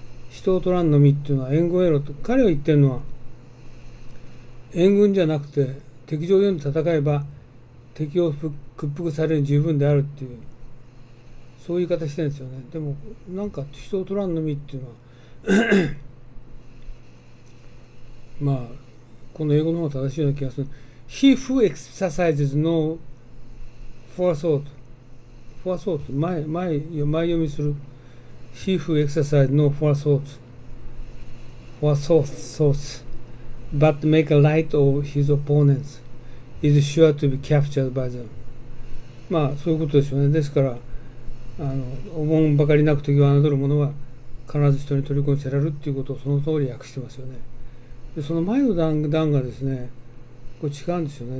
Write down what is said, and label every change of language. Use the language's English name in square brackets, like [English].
[Japanese] 人を取らんのみっていうのは援軍を得ろと。彼が言ってるのは援軍じゃなくて敵情を読んで戦えば敵を屈服されるに十分であるっていう、そういう言い方してるんですよね。でも、なんか人を取らんのみっていうのは まあ、この英語の方が正しいような気がする。 [English] He who exercises no forethought。 [Japanese] forethought、 前読みする。 [English] He who exercises no forethought。 forethought but make a light of his opponents is sure to be captured by them。 [Japanese] まあ、そういうことですよね。ですから、おもんばかりなく敵を侮る者は必ず人に虜にせられるっていうことをその通り訳してますよね。で、その前の段がですね、これ違うんですよね。